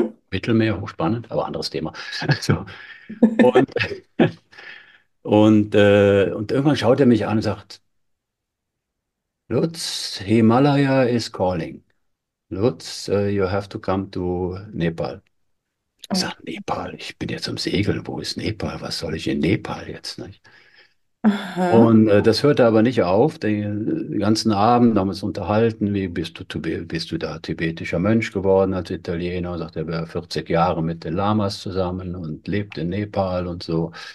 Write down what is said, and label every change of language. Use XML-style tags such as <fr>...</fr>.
<de>Mittelmeer, hochspannend, aber anderes Thema. So. Und irgendwann schaut er mich an und sagt: Lutz,</de> <en>Himalaya is calling. Lutz, you have to come to Nepal.</en> <de>Ich sage, Nepal, ich bin jetzt am Segeln, wo ist Nepal? Was soll ich in Nepal jetzt? Nicht? Und das hörte aber nicht auf. Den ganzen Abend haben wir uns unterhalten, wie bist du da tibetischer Mönch geworden als Italiener? Und sagt, er war 40 Jahre mit den Lamas zusammen und lebt in Nepal und so.</de>